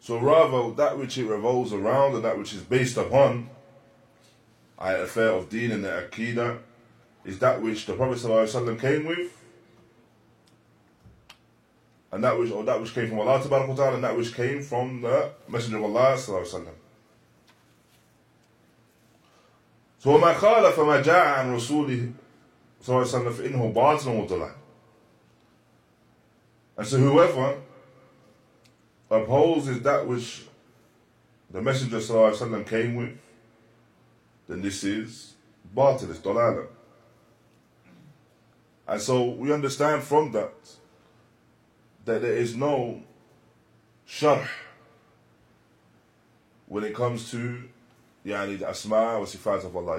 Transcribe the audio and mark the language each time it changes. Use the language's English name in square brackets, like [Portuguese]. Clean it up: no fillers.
[English] So rather, that which it revolves around and that which is based upon the affair of deen and the aqeedah is that which the Prophet صلى الله عليه وسلم came with, and that which came from Allah tabaraka wa ta'ala, and that which came from the Messenger of Allah صلى الله عليه وسلم. [Arabic] So ما خالف ما جاء عن رسوله صلى الله عليه وسلم فإنه باطل وضلال. [English] And so whoever opposes that which the Messenger صلى الله عليه وسلم came with, then this is batil, it's dalala. And so we understand from that there is no sharh when it comes to yani the asma wa sifat of Allah.